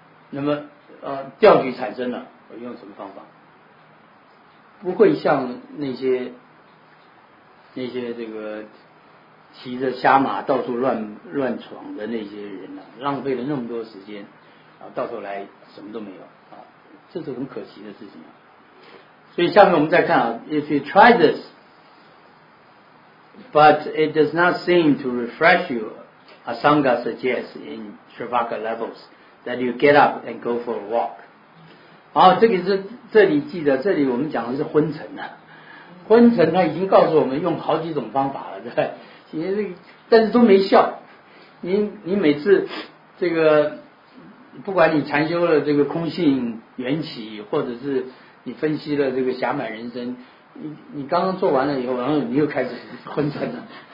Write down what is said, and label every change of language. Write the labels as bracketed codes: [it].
[zh] 那么调局产生了，我用什么方法，不会像那些这个骑着瞎马到处乱闯的那些人啊，浪费了那么多时间啊，到头来什么都没有啊，这是很可惜的事情啊。所以下面我们再看啊， [en] If you try this but it does not seem to refresh youAsanga suggests in Shravaka levels that you get up and go for a walk. [zh] 好，这个是这里记得，这里我们讲的是昏沉啊。昏沉他已经告诉我们用好几种方法了，对不对？但是都没效。你每次这个，不管你禅修了这个空性缘起，或者是你分析了这个侠满人生，你刚刚做完了以后，然后你又开始昏沉了。